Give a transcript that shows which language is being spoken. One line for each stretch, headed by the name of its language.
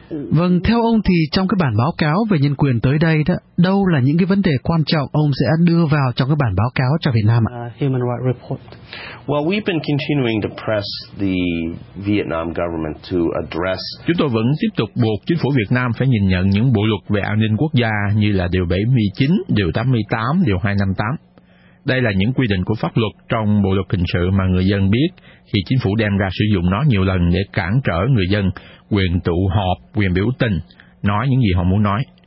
Vietnamese: Vâng, theo ông thì trong cái bản báo cáo về nhân quyền tới đây đó, đâu là những cái vấn đề quan trọng ông sẽ đưa vào trong cái bản báo cáo cho Việt Nam ạ?
English: Human rights report. Well, we've been continuing to press the Vietnam government to address.
Vietnamese: Chúng tôi vẫn tiếp tục buộc chính phủ Việt Nam phải nhìn nhận những bộ luật về an ninh quốc gia như là điều 79, điều 88, điều 258. Đây là những quy định của pháp luật trong bộ luật hình sự mà người dân biết khi chính phủ đem ra sử dụng nó nhiều lần để cản trở người dân quyền tụ họp, quyền biểu tình, nói những gì họ muốn nói.